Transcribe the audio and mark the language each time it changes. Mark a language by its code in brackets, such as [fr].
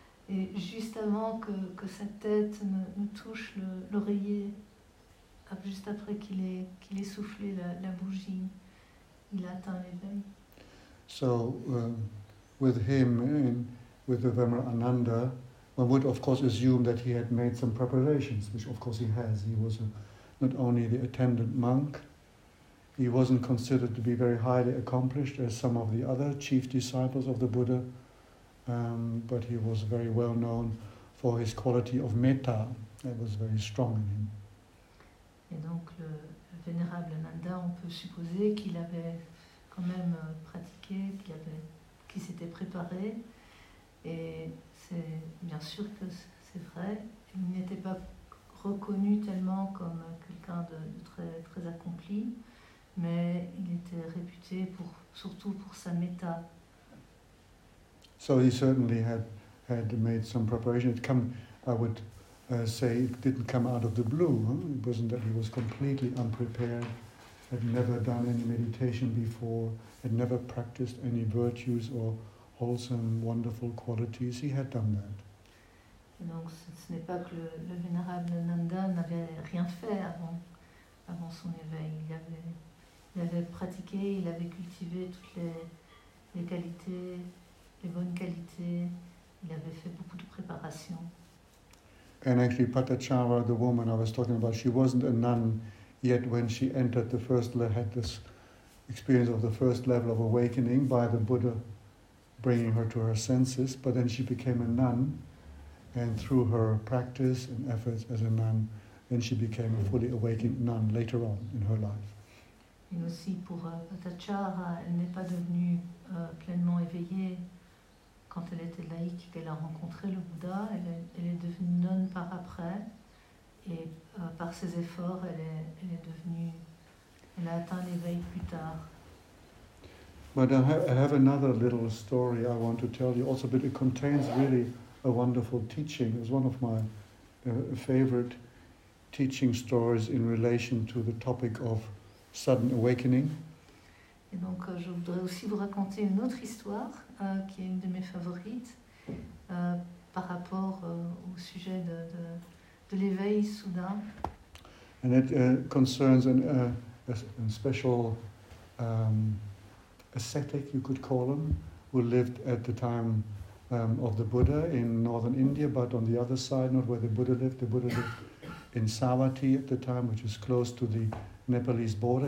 [fr] Et juste avant que sa tête ne touche l'oreiller, juste après qu'il ait soufflé la bougie, il a atteint l'éveil. [en] So, with him and with the Vemra Ananda, one would, of course, assume that he had made some preparations, which, of course, he has. He was not only the attendant monk, he wasn't considered to be very highly accomplished as some of the other chief disciples of the Buddha, but he was very well known for his quality of metta that was very strong in him. [fr] Et donc, le vénérable Ananda, on peut supposer qu'il avait quand même pratiqué, qu'il s'était préparé, et c'est bien sûr que c'est vrai. Il n'était pas reconnu tellement comme quelqu'un de très, très accompli, mais il était réputé surtout pour sa metta. [en] So he certainly had made some preparation. I would say it didn't come out of the blue. It wasn't that he was completely unprepared, had never done any meditation before, had never practiced any virtues or wholesome, wonderful qualities. He had done that. [fr] Donc, ce n'est pas que le vénérable Ananda n'avait rien fait avant son éveil. Il avait pratiqué, il avait cultivé toutes les qualités, les bonnes qualités. Il avait fait beaucoup de préparation. [en] And actually, Patachara, the woman I was talking about, she wasn't a nun yet when she entered the first level, had this experience of the first level of awakening by the Buddha bringing her to her senses, but then she became a nun, and through her practice and efforts as a nun, then she became a fully awakened nun later on in her life. [fr] Et aussi pour Patachara, elle n'est pas devenue pleinement éveillée quand elle était laïque, qu'elle a rencontré le Bouddha. Elle est devenue nonne par après, et par ses efforts, elle a atteint l'éveil plus tard. [en] But I have another little story I want to tell you also, but it contains really a wonderful teaching. It's one of my favorite teaching stories in relation to the topic of sudden awakening. [fr] Et donc je voudrais aussi vous raconter une autre histoire qui est une de mes favorites par rapport au sujet de l'éveil soudain. [en] And it concerns a special ascetic, you could call him, who lived at the time of the Buddha in northern India, but on the other side, not where the Buddha lived. The Buddha lived in Savatthi at the time, which is close to the Nepalese border.